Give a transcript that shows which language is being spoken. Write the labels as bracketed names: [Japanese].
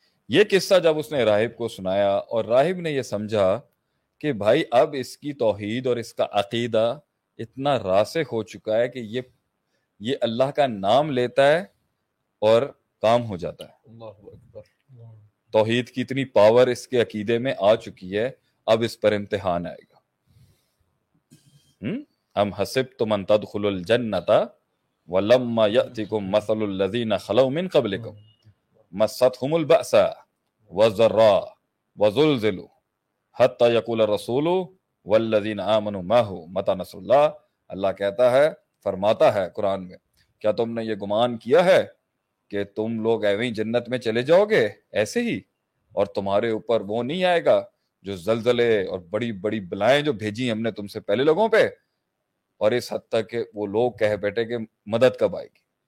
[Urdu] یہ قصہ جب اس نے راہب کو سنایا اور راہب نے یہ سمجھا کہ بھائی اب اس کی توحید اور اس کا عقیدہ اتنا راسخ ہو چکا ہے کہ یہ اللہ کا نام لیتا ہے اور کام ہو جاتا ہے. اللہ اکبر, توحید کی اتنی پاور اس کے عقیدے میں آ چکی ہے, اب اس پر امتحان آئے گا. [Arabic] ام حسبت من تدخل الجنت ولما یأتکم مثل الذین خلوا من قبلکم مستهم البأس والضراء وزلزلوا حتى يقول الرسول والذين آمنوا معه متى نصر الله. [Urdu] اللہ کہتا ہے, فرماتا ہے قرآن میں, کیا تم نے یہ گمان کیا ہے کہ تم لوگ ایویں جنت میں چلے جاؤ گے ایسے ہی, اور تمہارے اوپر وہ نہیں آئے گا جو زلزلے اور بڑی بڑی بلائیں جو بھیجی ہم نے تم سے پہلے لوگوں پہ, اور اس حد تک کہ وہ لوگ کہہ بیٹھے کہ مدد کب آئے گی.